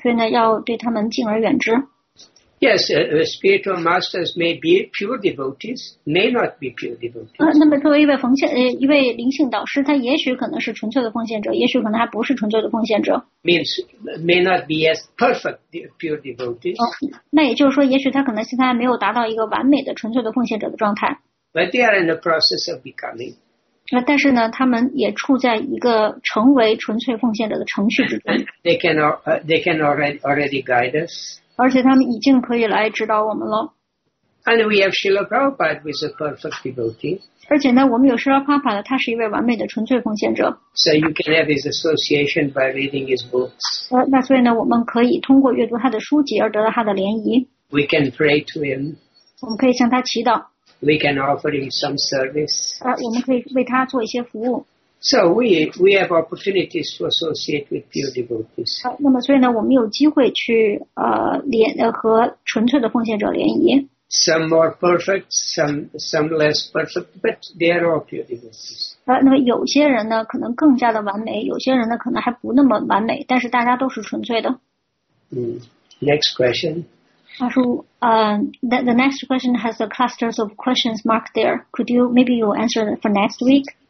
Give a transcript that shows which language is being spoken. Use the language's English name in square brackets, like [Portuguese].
[Chinese] 所以呢，要对他们敬而远之。 [English] Yes, spiritual masters may be pure devotees, may not be pure devotees. [Chinese] 那么作为一位灵性导师，他也许可能是纯粹的奉献者，也许可能还不是纯粹的奉献者。 [English] Means may not be as perfect pure devotees. [Chinese] 那也就是说，也许他可能现在还没有达到一个完美的纯粹的奉献者的状态。 [English] But they are in the process of becoming. [Chinese] 但是呢，他们也处在一个成为纯粹奉献者的程序之中。 [English] They can already guide us. [Chinese] 而且他们已经可以来指导我们了。 [English] And we have Srila Prabhupada who is a perfect devotee. [Chinese] 而且呢，我们有 Srila Prabhupada， 他是一位完美的纯粹奉献者。 [English] So you can have his association by reading his books. [Chinese] 那所以呢，我们可以通过阅读他的书籍而得到他的联谊。 [English] We can pray to him. [Chinese] 我们可以向他祈祷。 [English] We can offer him some service. [Chinese] 我们可以为他做一些服务。 [English] So we have opportunities to associate with pure devotees. [Chinese] 那么所以呢，我们有机会去和纯粹的奉献者联谊。 [English] Some more perfect, some less perfect, but they are all pure devotees. [Chinese] 那么有些人呢，可能更加的完美；有些人呢，可能还不那么完美。但是大家都是纯粹的。 [English] Next question. The next question has the clusters of questions marked there. Could you, maybe you'll answer that for next week?